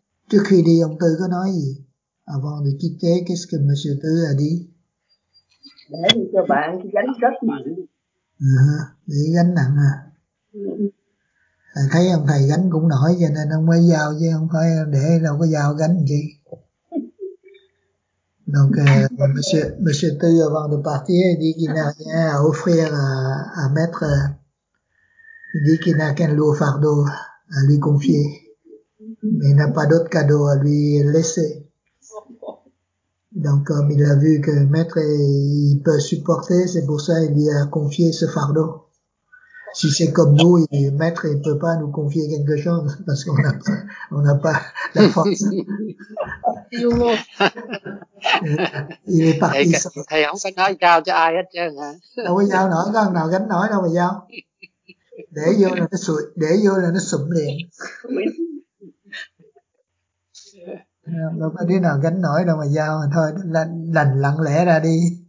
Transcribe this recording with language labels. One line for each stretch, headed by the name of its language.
Vietnamese: Trước khi đi ông Tư có nói gì?
French: Avant de quitter, qu'est-ce que Monsieur Tư a dit?
Vietnamese: Để cho bạn gánh rất nặng. Để gánh nặng à? Thấy ông thầy gánh cũng nổi cho nên ông mới giao chứ không phải để đâu có giao gánh gì.
French: Donc, Monsieur Tư, avant de partir, il dit qu'il n'a rien à offrir à mettre. Il dit qu'il n'a qu'un lourd fardeau à lui confier. Mais il n'a pas d'autre cadeau à lui laisser. Donc, comme il a vu que maître, il peut supporter, c'est pour ça qu'il lui a confié ce fardeau. Si c'est comme nous, maître, il ne peut pas nous confier quelque chose parce qu'on n'a pas la force. Il est parti.
Vietnamese: Thầy không sao nói giao cho ai hết trơn hả? Không có giao nổi, có nào gánh nổi đâu mà giao. Để vô là nó sụm liền. Đâu có đứa nào gánh nổi đâu mà giao, thôi lành lặng lẽ ra đi.